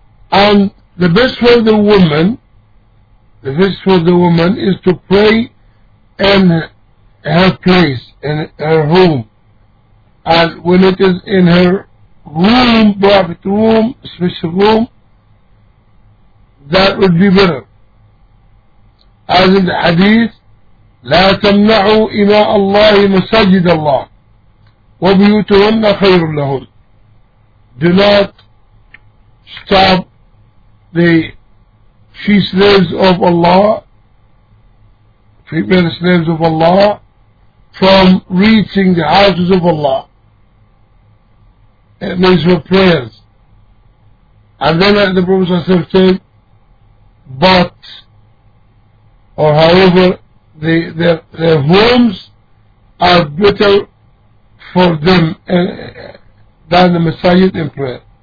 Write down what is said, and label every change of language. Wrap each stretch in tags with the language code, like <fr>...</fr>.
<en>And the best for the woman, the best for the woman is to pray in her place, in her home, And when it is in her room, private room, special room, that would be better. As in the hadith,</en> <ar>لَا تَمْنَعُوا إِمَاءَ اللَّهِ مَسَجِدَ اللَّهِ وَبِيُوتُهُنَّ خَيْرٌ لَهُمْ.</ar> <en>Do not stop the she slaves of Allah, female slaves of Allah, from reaching the houses of Allah. It means her prayers. And then the Prophet said, but, or however, their homes are better for them than the Masajid in prayer.</en>